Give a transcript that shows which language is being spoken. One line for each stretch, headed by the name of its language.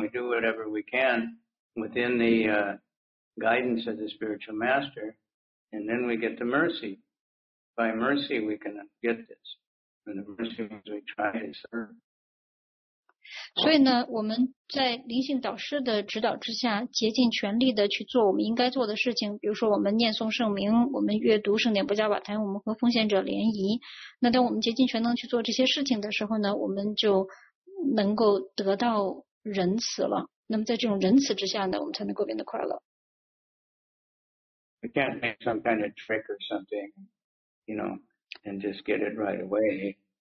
English: We do whatever we can within the guidance of the spiritual master, and then we get the mercy. By mercy, we can get this. And the mercy is we try to serve.
Chinese: 所以呢，我们在灵性导师的指导之下，竭尽全力的去做我们应该做的事情。比如说，我们念诵圣名，我们阅读圣典不加瓦坛，我们和奉献者联谊。那当我们竭尽全能去做这些事情的时候呢，我们就能够得到仁慈了。那么在这种仁慈之下呢，我们才能够变得快乐。
English: We can't make some kind of trick or something, you know, and just get it right away.